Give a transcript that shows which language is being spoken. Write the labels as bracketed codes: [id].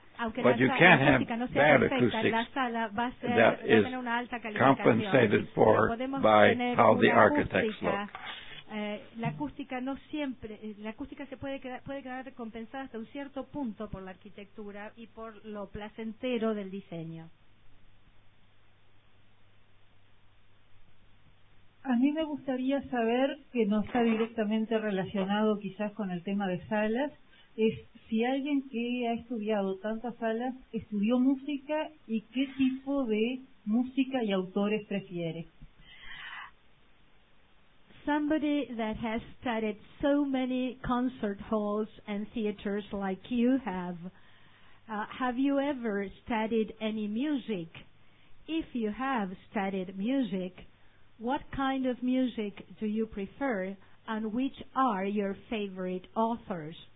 [en] But you can't have bad acoustics that is compensated for by how the architects look. [es] La acústica se puede quedar compensada hasta un cierto punto por la arquitectura y por lo placentero del diseño. A mí me gustaría saber, que no está directamente relacionado quizás con el tema de salas, es si alguien que ha estudiado tantas salas estudió música y qué tipo de música y autores prefiere. [en] Somebody that has studied so many concert halls and theaters like you have you ever studied any music? If you have studied music, what kind of music do you prefer and which are your favorite authors?